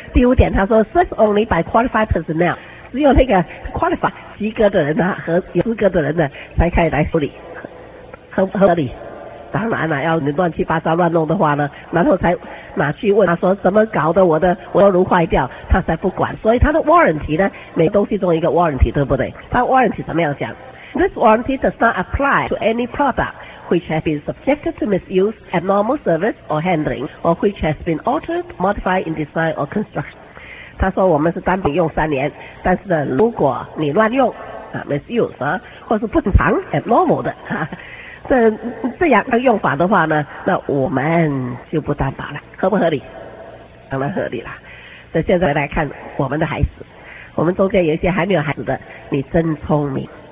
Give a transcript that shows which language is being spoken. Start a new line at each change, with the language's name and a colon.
Chinese: 第五点他说
English: search only by qualified personnel，
Chinese: 只有那个 qualified 及格的人啊和有资格的人呢才可以来处理，合理。当然了，要你乱七八糟乱弄的话呢，然后才拿去问他说怎么搞的，我的微波炉坏掉，他才不管。所以他的 warranty 呢，每东西中一个 warranty， 对不对？他 warranty 怎么样讲
English: ？This warranty does not apply to any product which has been subjected to misuse, abnormal service or handling, or which has been altered, modified in design or construction。
Chinese: 他说我们是单品用三年，但是呢，如果你乱用啊 ，misuse 啊，或是不正常 abnormal 的哈。这样的用法的话呢，那我们就不担保了，合不合理？当然合理了。那现在来看我们的孩子，我们中间有一些还没有孩子的，你真聪明。